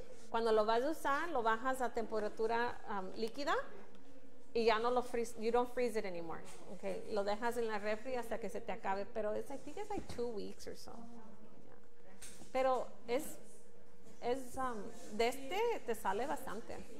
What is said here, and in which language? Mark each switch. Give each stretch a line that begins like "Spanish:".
Spanish: Cuando lo vas a usar, lo bajas a temperatura líquida. Y ya no lo
English: freeze, you don't freeze it anymore.
Spanish: Okay, lo dejas en la refri hasta que se te acabe. Pero es,
English: I think it's like 2 weeks or so.
Spanish: Yeah. Pero es, de este te sale bastante.